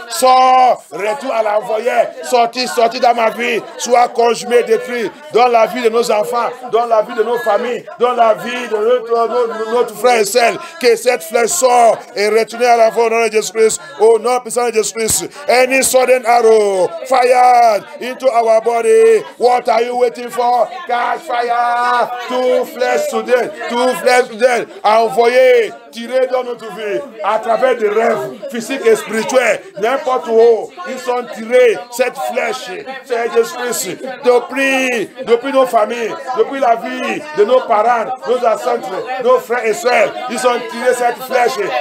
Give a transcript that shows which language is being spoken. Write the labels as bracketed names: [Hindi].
[French] Sors, retour à l'envoyé, sortis dans ma vie, sois consumé, détruit dans la vie de nos enfants, dans la vie de nos familles, dans la vie de notre frère et sœur. Que cette flèche sort et retourne à la voie au nom de Jésus Christ, au nom puissant de Jésus Christ. [English] Any sudden arrow fired into our body, what are you waiting for? Catch fire, [French] two flèches soudaines, envoyez, tirez dans notre vie à travers des rêves physiques et spirituels, n'importe où ils sont tirés, cette flèche, Seigneur Jésus Christ, depuis nos familles, depuis la vie de nos parents, nos ancêtres, nos frères et sœurs, ils ont tiré cette flèche.